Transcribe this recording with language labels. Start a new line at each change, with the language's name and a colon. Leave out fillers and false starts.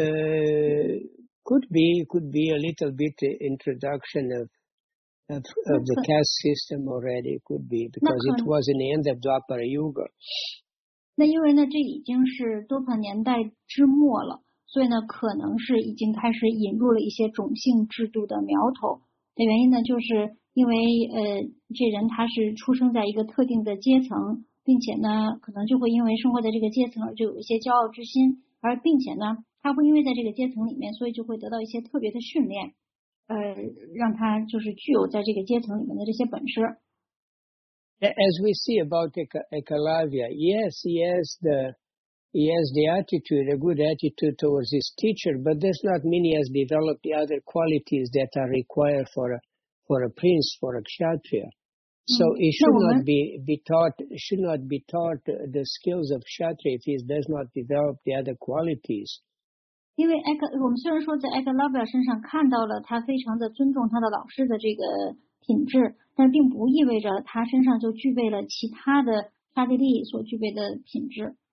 English: Could be a little bit introduction of the caste system already, could be, because it was in the end of Dwapara Yuga.
Chinese: 那因为呢，这已经是多帕年代之末了，所以呢，可能是已经开始引入了一些种姓制度的苗头。的原因呢，就是因为这人他是出生在一个特定的阶层，并且呢，可能就会因为生活在这个阶层而就有一些骄傲之心，而并且呢，他会因为在这个阶层里面，所以就会得到一些特别的训练，让他就是具有在这个阶层里面的这些本事。
English: As we see about Ekalavya, yes, he has the attitude, a good attitude towards his teacher, but does not mean he has developed the other qualities that are required for a prince, for a kshatriya. So he should not be taught the skills of kshatriya if he does not develop the other qualities.
Chinese: 因为我们虽然说在 Ekalavya 身上看到了他非常的尊重他的老师的这个品质，但并不意味着他身上就具备了其他的沙地利所具备的品质。